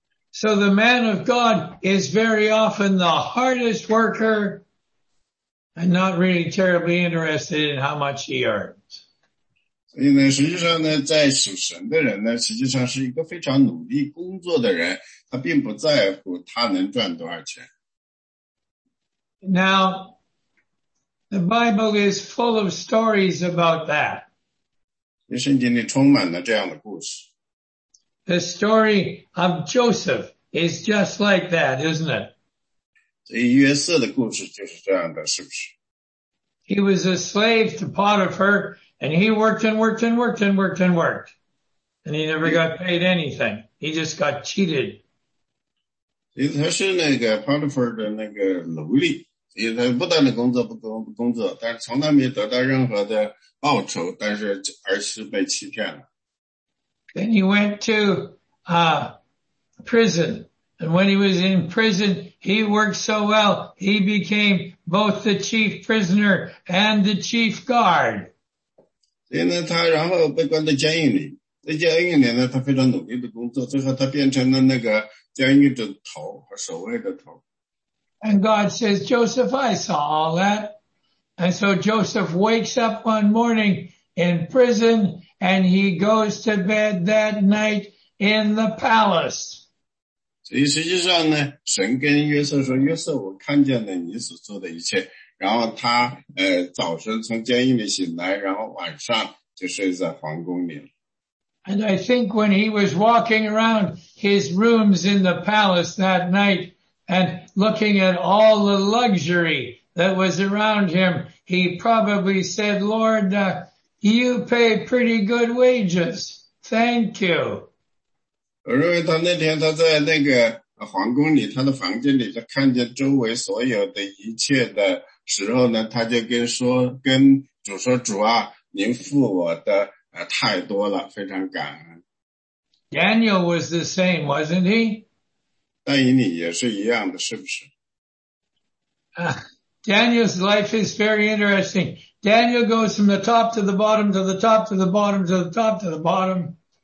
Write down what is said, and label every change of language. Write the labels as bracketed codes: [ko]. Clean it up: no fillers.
[en] So the man of God is very often the hardest worker. And not really terribly interested in how much he earns. [zh] 所以呢，实际上呢，在属神的人呢，实际上是一个非常努力工作的人，他并不在乎他能赚多少钱。 [en] Now, the Bible is full of stories about that. [zh] 圣经里充满了这样的故事。 [en] The story of Joseph is just like that, isn't it? [zh] 所以约瑟的故事就是这样的，是不是？ [en] He was a slave to Potiphar, and he worked and worked and worked and worked and worked. And he never got paid anything. He just got cheated. [zh] 所以他是那个 Potiphar 的那个奴隶，所以他不断的工作，不断的工作，但是从来没得到任何的报酬，但是而是被欺骗了。 [en] Then he went to prison. And when he was in prison, he worked so well, he became both the chief prisoner and the chief guard. [zh] 所以呢，他然后被关在监狱里。在监狱里呢，他非常努力的工作，最后他变成了那个监狱的头和守卫的头。 [en] And God says, Joseph, I saw all that. And so Joseph wakes up one morning in prison, and he goes to bed that night in the palace. [zh] 所以实际上呢，神跟约瑟说，约瑟，我看见了你所做的一切。然后他早晨从监狱里醒来，然后晚上就睡在皇宫里。 [en] And I think when he was walking around his rooms in the palace that night and looking at all the luxury that was around him, he probably said, Lord, you pay pretty good wages. Thank you. [zh] 我认为他那天他在那个皇宫里，他的房间里，他看见周围所有的一切的时候呢，他就跟主说，主啊，您付我的太多了，非常感恩。 [en] Daniel was the same, wasn't he? [zh] 但以你也是一样的，是不是？ [en] Daniel's life is very interesting. Daniel goes from the top to the bottom, to the top to the bottom, to the top to the bottom.